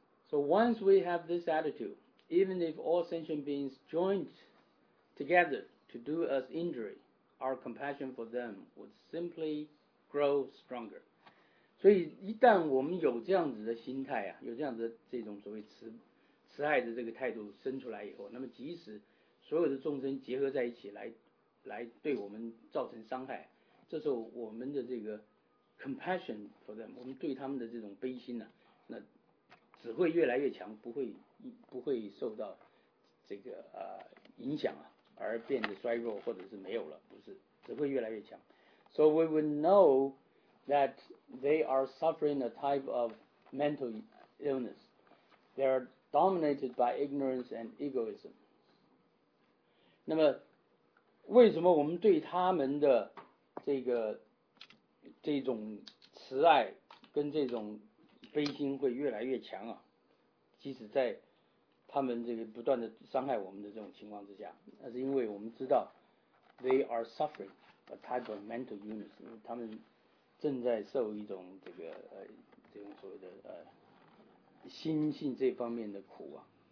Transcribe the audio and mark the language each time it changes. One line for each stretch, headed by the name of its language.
English: So once we have this attitude, even if all sentient beings joined together to do us injury, our compassion for them would simply grow stronger.
Chinese: 所以一旦我们有这样子的心态啊，有这样子的这种所谓慈爱的这个态度生出来以后，那么即使所有的众生结合在一起来来对我们造成伤害，这时候我们的这个
English: compassion for them，
Chinese: 我们对他们的这种悲心呢、啊，那只会越来越强，不会受到这个影响啊，而变得衰弱或者是没有了，不是，只会越来越强。
English: So we would know that they are suffering a type of mental illness. They are dominated by ignorance and egoism.
Chinese: 那么，为什么我们对他们的这个这种慈爱跟这种悲心会越来越强啊？即使在他们这个不断的伤害我们的这种情况之下，那是因为我们知道
English: they are suffering a type of mental illness，
Chinese: 他们正在受一种这个这种所谓的心性这方面的苦啊，